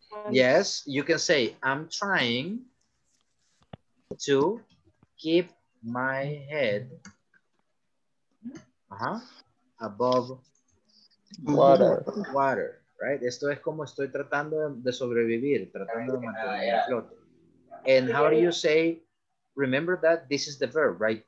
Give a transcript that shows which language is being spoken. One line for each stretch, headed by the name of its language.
English: Yes, you can say, I'm trying to keep my head above water, right?
Spanish: Esto es como estoy tratando de sobrevivir, tratando de mantener el flote.
English: And how do you say, remember that this is the verb, right?